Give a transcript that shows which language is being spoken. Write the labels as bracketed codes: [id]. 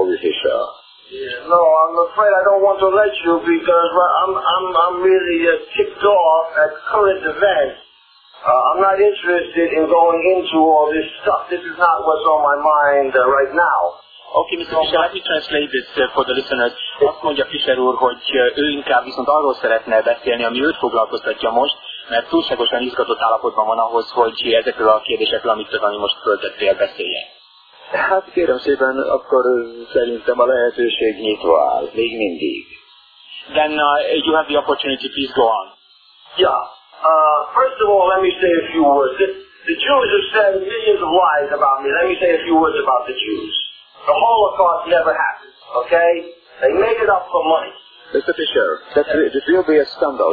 [en] Politician. No, I'm afraid I don't want to let you, because I'm really ticked off at current events. I'm not interested in going into all this stuff. This is not what's on my mind right now. Okay, Mr. Fischer, let me translate this for the listeners. [hu] Azt mondja Fischer úr, hogy ő inkább viszont arról szeretne beszélni, ami őt foglalkoztatja most, mert túlságosan izgatott állapotban van ahhoz, hogy ezekről a kérdésekről, ami most föltettél, beszéljen. Hát kérem szépen, akkor szerintem a lehetőség nyitva áll, még mindig. [en] Then you have the opportunity, please go on. Yeah. First of all, let me say a few words. The Jews have said millions of lies about me. Let me say a few words about the Jews. the Holocaust never happened, okay? They made it up for money. Mr. Fisher, this will be a scandal.